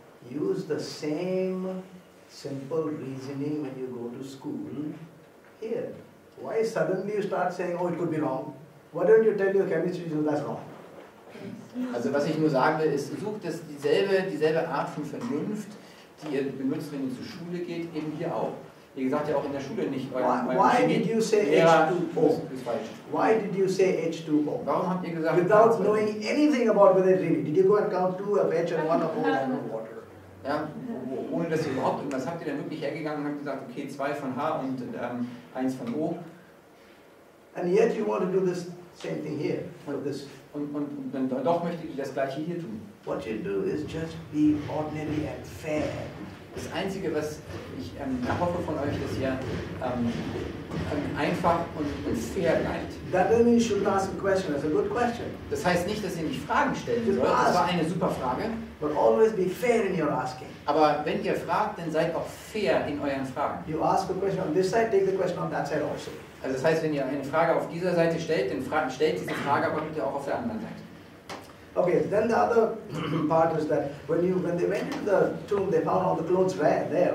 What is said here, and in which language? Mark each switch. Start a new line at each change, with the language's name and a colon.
English: use the same simple reasoning when you go to school here. Why suddenly you start saying, oh, it could be wrong? Why don't you tell your chemistry so that's wrong?
German: Also was ich nur sagen will, ist, sucht das dieselbe Art von Vernunft, die ihr benutzt, wenn ihr zur Schule geht, eben hier auch. Ihr sagt ja auch in der Schule nicht,
English: why did you say H2O? Why did you say H2O?
German: Warum habt ihr gesagt,
English: without knowing anything about whether it really, did you go and count two of H and one of O and one of water?
German: Ja, ohne dass ihr überhaupt, und was habt ihr dann wirklich hergegangen und habt gesagt, okay, zwei von H und eins von O?
English: And yet you want to do this same thing here. For this.
German: Und dann doch möchtet ihr das gleiche hier tun.
English: What you do is just be ordinary and fair.
German: Das Einzige, was ich erhoffe von euch, ist ja einfach und fair bleibt.
English: That doesn't mean you should ask a question. That's a good question.
German: Das heißt nicht, dass ihr nicht Fragen stellen sollt. Das war eine super Frage.
English: But always be fair in your asking.
German: Aber wenn ihr fragt, dann seid auch fair in euren Fragen.
English: You ask a question on this side, take the question on that side also.
German: Also das heißt, wenn ihr eine Frage auf dieser Seite stellt, dann stellt diese Frage aber bitte auch auf der anderen Seite.
English: Okay, then the other part is that when they went into the tomb, they found all the clothes there.